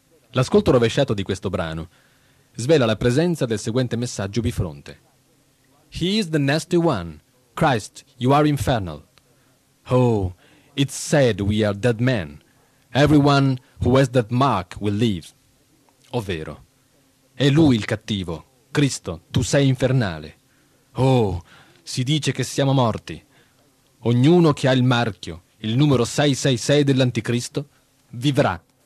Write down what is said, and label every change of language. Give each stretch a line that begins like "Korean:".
Italian: L'ascolto rovesciato di questo brano svela la presenza del seguente messaggio bifronte.
English: He is the nasty one. Christ, you are infernal. Oh, it's said we are dead men. Everyone who has that mark will live.
Italian: Ovvero, è lui il cattivo. Cristo, tu sei infernale. Oh, si dice che siamo morti. Ognuno che ha il marchio, il numero 666 dell'anticristo, vivrà.